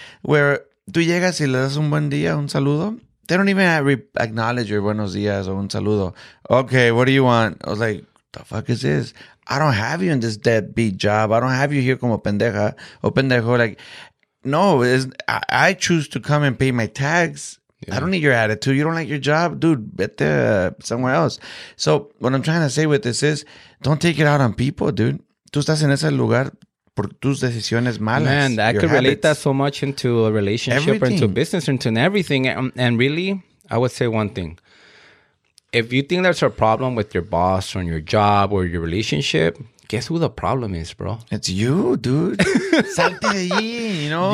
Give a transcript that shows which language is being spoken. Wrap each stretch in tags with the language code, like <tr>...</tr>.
<es>Where tú llegas y le das un buen día, un saludo.</es> <en>They don't even acknowledge your buenos días o un saludo. Okay, what do you want? I was like, the fuck is this? I don't have you in this deadbeat job. I don't have you here como pendeja o pendejo. Like... No, I choose to come and pay my tags. Yeah. I don't need your attitude. You don't like your job? Dude, vete somewhere else. So what I'm trying to say with this is, don't take it out on people, dude.</en> <es>Tú estás en ese lugar por tus decisiones malas.</es> <en>Man, I could relate that so much into a relationship or into business or into everything. And really, I would say one thing. If you think there's a problem with your boss or your job or your relationship... Guess who the problem is, bro? It's you, dude. Salte de allí, you know?</en>